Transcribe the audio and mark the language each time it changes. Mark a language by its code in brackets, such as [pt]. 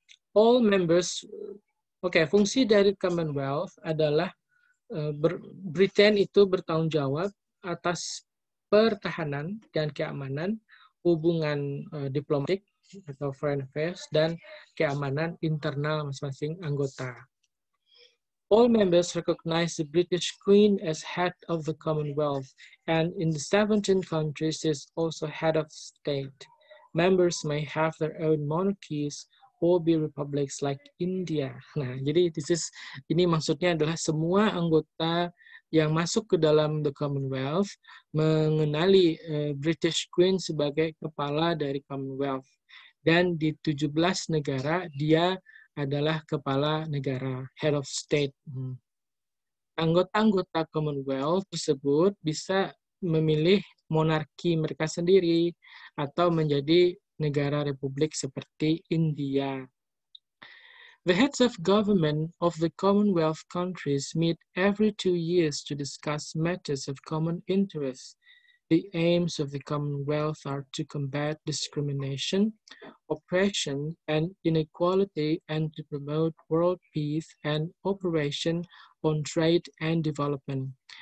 [en] All members, okay, [id] fungsi dari Commonwealth adalah Britain itu bertanggung jawab atas pertahanan dan keamanan, hubungan diplomatik atau foreign affairs, dan keamanan internal masing-masing anggota. [en] All members recognize the British Queen as head of the Commonwealth, and in the 17 countries is also head of state. Members may have their own monarchies or be republics like India. [id] Nah, jadi ini maksudnya adalah semua anggota yang masuk ke dalam The Commonwealth mengenali British Queen sebagai kepala dari Commonwealth. Dan di 17 negara, dia adalah kepala negara, head of state. Anggota-anggota Commonwealth tersebut bisa memilih monarki mereka sendiri atau menjadi negara republik seperti India. [en] The heads of government of the Commonwealth countries meet every 2 years to discuss matters of common interest. The aims of the Commonwealth are to combat discrimination, oppression, and inequality, and to promote world peace and cooperation on trade and development.